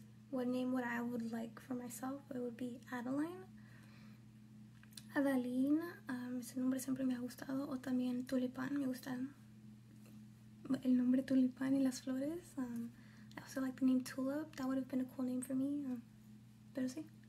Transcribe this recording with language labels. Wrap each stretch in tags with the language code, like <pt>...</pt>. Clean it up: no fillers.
<en>What name would I would like for myself? It would be Adeline.</en> <es>Adalina, ese nombre siempre me ha gustado, o también Tulipán, me gusta el nombre Tulipán y las flores.</es> <en>I also like the name Tulip, that would have been a cool name for me,</en> <es>pero sí.</es>